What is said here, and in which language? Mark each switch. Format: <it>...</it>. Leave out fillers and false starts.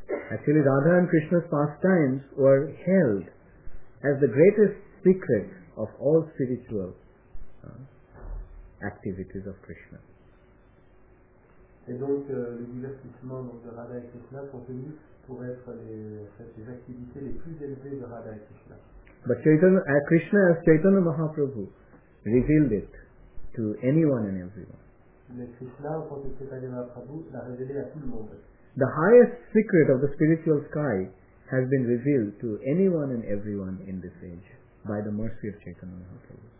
<en>Actually, Radha and Krishna's pastimes were held as the greatest secret of all spiritual activities of Krishna.</en> <fr>Et donc, les divertissements donc, de Radha et Krishna sont tenus pour être les activités les plus élevées de Radha et Krishna.</fr> <en>But Chaitanya, Krishna as Chaitanya Mahaprabhu revealed it to anyone and everyone.</en> <fr>Mais Krishna, en tant que Chaitanya Mahaprabhu, l'a révélé à tout le monde.</fr> <en>The highest secret of the spiritual sky has been revealed to anyone and everyone in this age by the mercy of Chaitanya Mahaprabhu.</en>